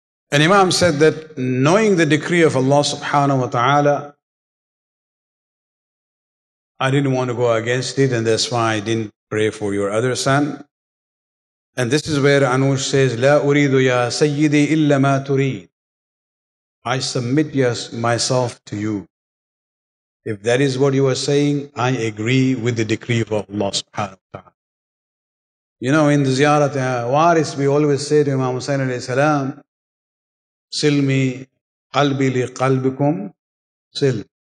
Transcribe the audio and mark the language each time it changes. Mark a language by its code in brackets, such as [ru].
[en] An Imam said that knowing the decree of Allah subhanahu wa ta'ala, I didn't want to go against it, and that's why I didn't pray for your other son. And this is where Anush says, [ar] لا أريد يا سيدي إلا ما تريد. [en] I submit myself to you. If that is what you are saying, I agree with the decree of Allah subhanahu wa ta'ala. You know, in the ziyarat waris, we always say to Imam Hussain alayhi salam, [ar] Silmi qalbi li qalbikum sil.